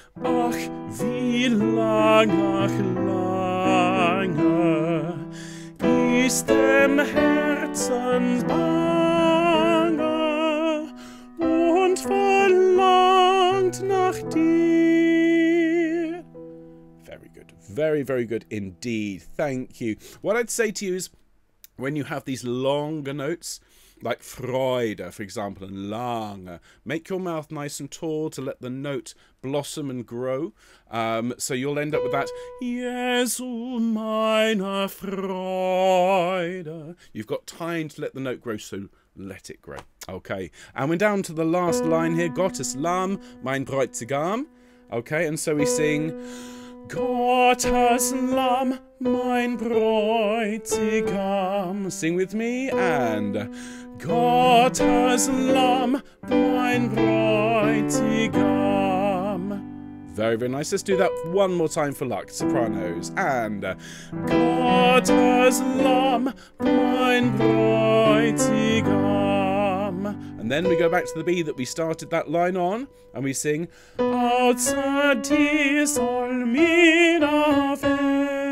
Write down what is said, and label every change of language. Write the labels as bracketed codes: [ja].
[de] Ach, wie lang, ach, lange, ist dem Herzens bange und verlangt nach dir. [en] Very good. Very, very good indeed. Thank you. What I'd say to you is when you have these longer notes, like Freude, for example, and lange, make your mouth nice and tall to let the note blossom and grow. So you'll end up with that. [de] Jesu, meine Freude. [en] You've got time to let the note grow, so let it grow. Okay. And we're down to the last line here. [de] Gottes Lamm, mein Bräutigam. [en] Okay, and so we sing. [de] Gottes Lamm, mein Bräutigam. [en] Sing with me and. [de] Gottes Lamm, mein Bräutigam. [en] Very, very nice. Let's do that one more time for luck, sopranos. And [de] Gottes Lamm, mein Bräutigam. [en] And then we go back to the B that we started that line on, and we sing [de] Außer dir soll mir werden.